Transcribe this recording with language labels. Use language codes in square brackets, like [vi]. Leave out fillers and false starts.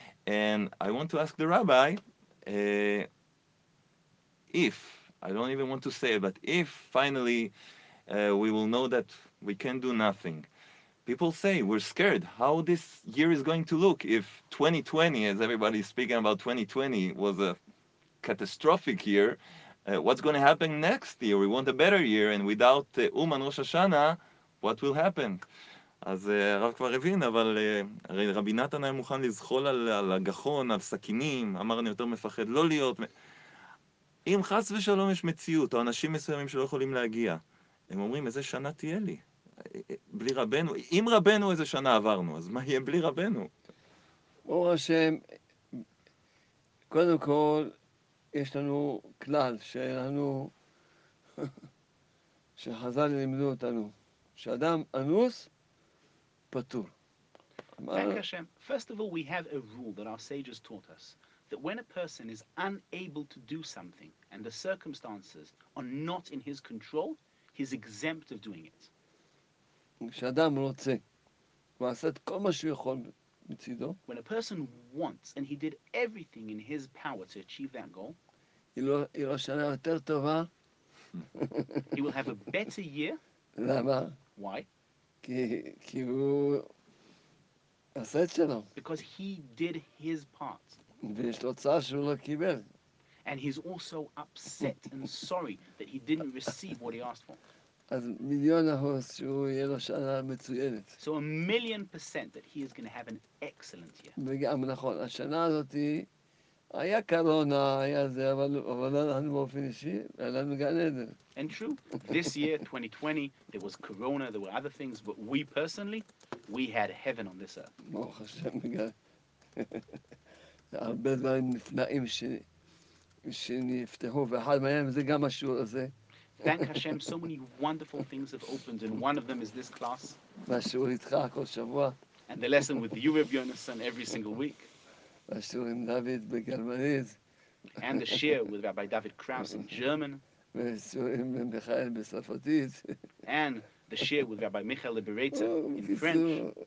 [en] And I want to ask the rabbi, if, I don't even want to say it, but if finally we will know that we can do nothing. People say we're scared how this year is going to look if 2020, as everybody's speaking about 2020, was a catastrophic year. What's going to happen next year? We want a better year, and without Uman Rosh Hashanah, what will happen? [he] אז הרב כבר הבין, אבל הרי רבי נתן היה מוכן לזחול על הגחון, על סכינים, אמר אני יותר מפחד לא להיות. אם חס ושלום יש מציאות, או אנשים מסוימים שלא יכולים להגיע, הם אומרים, איזה שנה תהיה לי? בלי רבנו, אם רבנו איזה שנה עברנו, אז מה יהיה בלי רבנו? ברוך השם, קודם כל, יש לנו כלל שלנו, שחז"ל לימדו אותנו, שאדם אנוס, פטור. [en] Thank Hashem. First of all, we have a rule that our sages taught us, that when a person is unable to do something and the circumstances are not in his control, he's exempt of doing it. [he] כשאדם רוצה, הוא עשה את כל מה שהוא יכול מצידו. [en] When a person wants and he did everything in his power to achieve that goal, [he] היא לא שנה יותר טובה. [en] He will have a better year. [he] למה? [en] Why? [he] כי הוא עשה את שלו. [en] Because he did his part. [he] ויש לו צער שהוא לא קיבל. [en] And he's also upset and sorry that he didn't receive what he asked for. [he] אז מיליון אחוז שהוא יהיה לו שנה מצוינת. [en] So a million percent that he is going to have an excellent year. [he] וגם נכון, השנה הזאת היה קורונה, היה זה, אבל אנחנו באופן אישי, היה לנו גן עדן. [en] And true, this year, 2020, there was corona, there were other things, but we personally, we had heaven on this earth. [he] ברוך השם, בגלל. הרבה דברים נפנאים שנפתחו, ואחד מהם זה גם השיעור הזה. [en] Thank Hashem, so many wonderful things have opened, and one of them is this class. [he] והשיעור איתך כל שבוע. [en] And the lesson with you, Rav Yonason, every single week. [he] והשיעור עם דוד בגרמנית. [en] And the shiur with Rabbi David Krauss in German. [he] והשיעור עם מיכאל בספרדית. [en] And the shiur with Rabbi Michael Liberator in French.